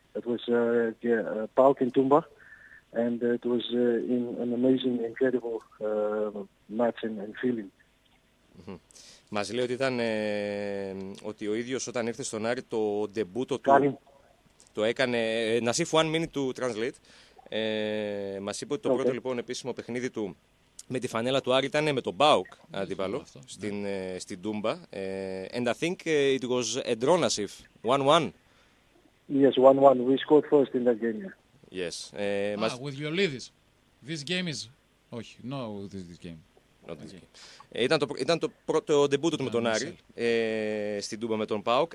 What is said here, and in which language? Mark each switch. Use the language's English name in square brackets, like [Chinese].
[English] It was PAOK in Tumba, and it was in an amazing, incredible match and feeling. [Greek] Μας λέει ότι ήταν ότι ο ίδιος όταν ήρθε στον Άρη το ντεμπούτο του το έκανε. Nasif, [English] one minute to translate. [Greek] Μας είπε ότι το πρώτο λοιπόν επίσημο παιχνίδι του με τη φανέλα του Άρη ήταν με τον PAOK αντίπαλο στην Τούμπα. [English] And I think it was a draw, Nasif. 1-1. Yes, 1-1. We scored first in that game. Yeah. Yes. With your leaders. This game is... [Greek] Όχι, [English] no, this game. Not this game. [Greek] Ήταν το πρώτο ντεμπούτο του με τον Άρη στην Τούμπα με τον ΠΑΟΚ.